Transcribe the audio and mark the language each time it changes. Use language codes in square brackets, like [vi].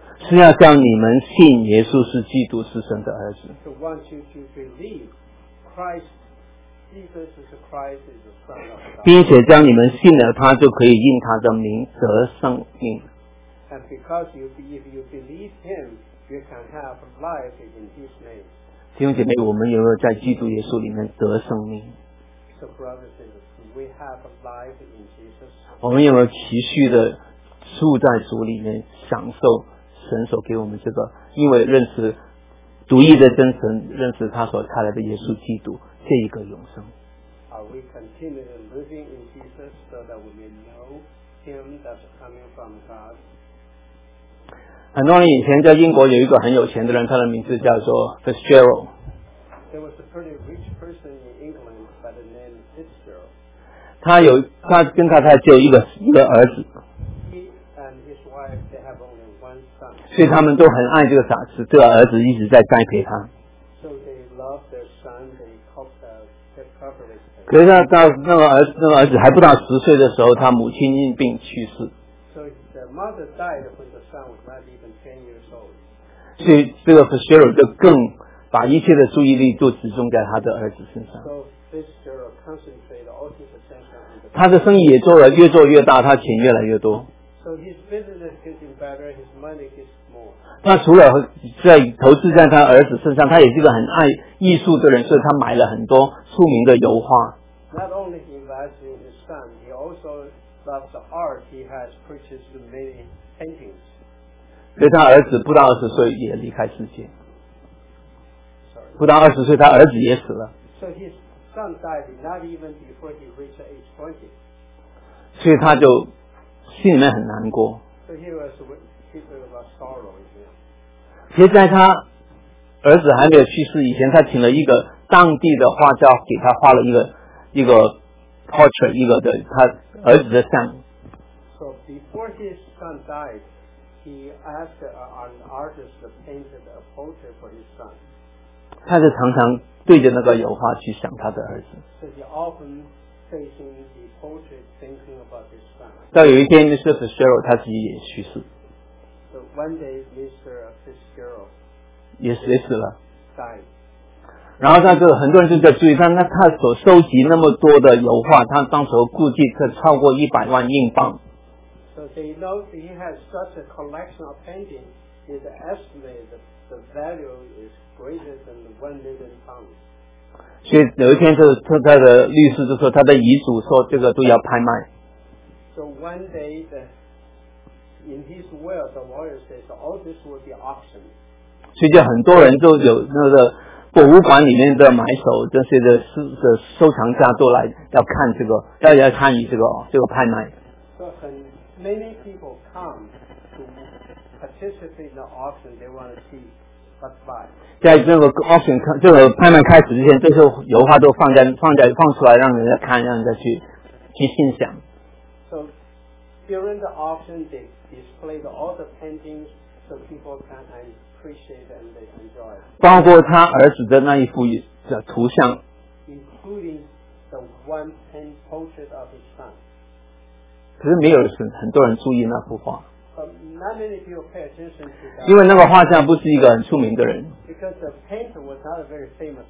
[zh] 是要叫你们信耶稣是基督是神的儿子。 [en] So want you to believe Christ, Jesus is Christ, is the Son of God. [zh] 并且叫你们信了他就可以应他的名得生命。 [en] And because you, if you believe him, you can have life in his name. [zh] 弟兄姐妹，我们有没有在基督耶稣里面得生命？ [en] So brothers and sisters, we have life in Jesus. [zh] 我们有没有持续的住在主里面享受神所给我们这个，因为认识独一的真神，认识他所差来的耶稣基督，这一个永生。 [en] Are we continually living in Jesus so that we may know Him that's coming from God? [zh] 很多人以前在英国有一个很有钱的人，他的名字叫做 Fitzgerald. [en] There was a pretty rich person in England by the name Fitzgerald. [zh] 他跟太太只有一个儿子。 [en] He and his wife, they have only. [zh] 所以他们都很爱这个傻子，这个儿子一直在栽培他。 [en] So they love their son, they hope that they properly. [zh] 可是到那个儿子还不到十岁的时候，他母亲因病去世。 [en] So the mother died when the son was not even 10 years old. [zh] 所以这个 Fitzgerald 就更把一切的注意力都集中在他的儿子身上。 [en] So Fitzgerald concentrated all his attention on the. [zh] 他的生意也做了越做越大，他钱越来越多。 [en] So his business is getting better, his money gets more. [zh] 他除了在投资在他儿子身上，他也是一个很爱艺术的人，所以他买了很多出名的油画。 [en] Not only he invests in his son, he also loves art. He has purchased many paintings. [zh] 所以他儿子不到二十岁也离开世界。 [en] Sorry. [zh] 不到二十岁，他儿子也死了。 [en] So his son died not even before he reached age 20. [zh] 所以他就。心里面很难过。其实在他儿子还没有去世以前，他请了一个当地的画家给他画了一个 portrait， 一个的他儿子的像。 [en] So before his son died, he asked an artist to paint a portrait for his son. [zh] 他就常常对着那个油画去想他的儿子。 [en] So he often facing the portrait, thinking about his son. [zh] 到有一天 Mr. Fitzgerald 他自己也去世。 [en] So one day Mr. Fitzgerald [zh] 也死了。 [en] Died. [zh] 然后他就很多人就在注意他，那他所收集那么多的油画，他当时估计是超过100万英镑。 [en] So they know he has such a collection of paintings, it's estimated that the value is greater than £1 million. [zh] 所以有一天他的律师就说他的遗嘱说这个都要拍卖。 [en] So one day, in his will, the lawyer says, all this will be auctioned. [zh] 所以就很多人都有那个博物馆里面的买手，这些的收藏家都来要看这个，要参与这个拍卖。 [en] So many people come to participate in the auction. They want to see what buy. [zh] 在这个 auction 这个拍卖开始之前，这些油画都放出来，让人家看，让人家去欣赏。 [en] So during the auction, they display all the paintings so people can appreciate and they enjoy. [zh] 包括他儿子的那一幅图像。 [en] Including the one paint portrait of his son. [zh] 可是没有人很多人注意那幅画。 [en] Not many people pay attention to that. [zh] 因为那个画家不是一个很出名的人。 [en] Because the painter was not a very famous.